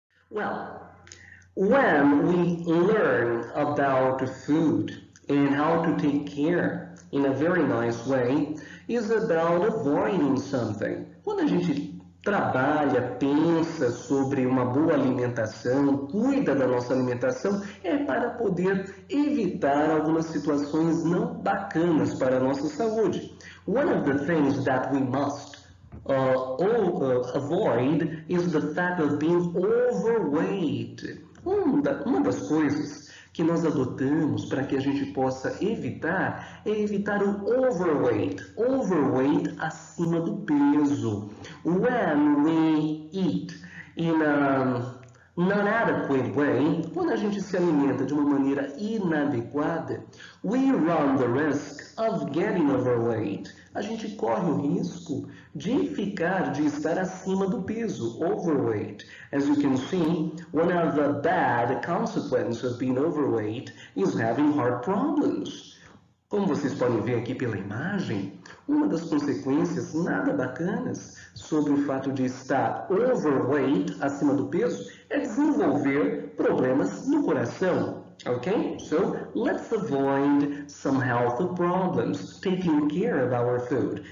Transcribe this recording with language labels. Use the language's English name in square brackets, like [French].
[English] Well, when we learn about food and how to take care in a very nice way, is about avoiding something. [Portuguese] Quando a gente trabalha, pensa sobre uma boa alimentação, cuida da nossa alimentação, é para poder evitar algumas situações não bacanas para a nossa saúde. [English] One of the things that we must avoid is the fact of being overweight. [Portuguese] Uma das coisas que nós adotamos para que a gente possa evitar é evitar o overweight acima do peso. [English] When we eat in a non-adequate way, [Portuguese] quando a gente se alimenta de uma maneira inadequada, [English] we run the risk of getting overweight. [Portuguese] A gente corre o risco de ficar, de estar acima do peso, overweight. [English] As you can see, one of the bad consequences of being overweight is having heart problems. [Portuguese] Como vocês podem ver aqui pela imagem, uma das consequências nada bacanas sobre o fato de estar overweight, acima do peso, é desenvolver problemas no coração. Ok? [English] So, let's avoid some health problems, taking care of our food.